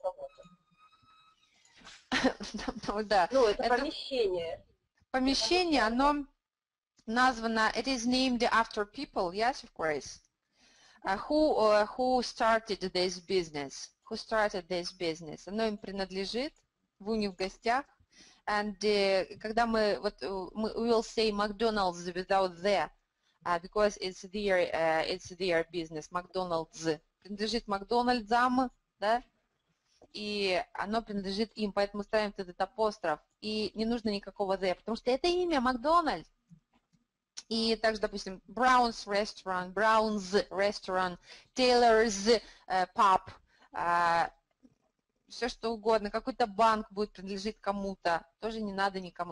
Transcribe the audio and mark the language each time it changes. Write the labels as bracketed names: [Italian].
[Russian] работа. Да. Ну, это помещение. Помещение, оно названо, [English] it is named after people, yes, of course. Who started this business? Who started this business? [Russian] Оно им принадлежит, вы не в гостях. [English] And [Russian] когда мы, вот, мы, [English] we will say McDonald's without the, because it's their business, McDonald's. [Russian] Принадлежит Макдональдзам, да? И оно принадлежит им, поэтому ставим этот апостроф. И не нужно никакого the, потому что это имя Макдональдс. И также, допустим, Brown's Restaurant, Brown's Restaurant, Taylor's Pub, все что угодно, какой-то банк будет принадлежить кому-то, тоже не надо никому.